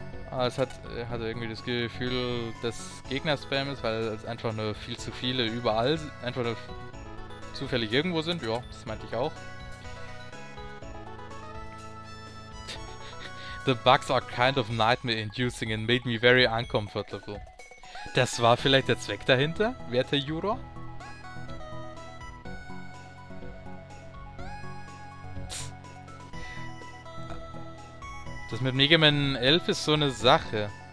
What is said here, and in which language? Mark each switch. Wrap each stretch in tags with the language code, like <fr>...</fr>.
<de>Aber es hat irgendwie das Gefühl, dass Gegner-Spam ist, weil es einfach nur viel zu viele überall, einfach nur zufällig irgendwo sind. Ja, das meinte ich auch.</de> <en>The bugs are kind of nightmare-inducing and made me very uncomfortable.</en> <de>Das war vielleicht der Zweck dahinter, werter Juror? Das mit Mega Man 11 ist so eine Sache.</de>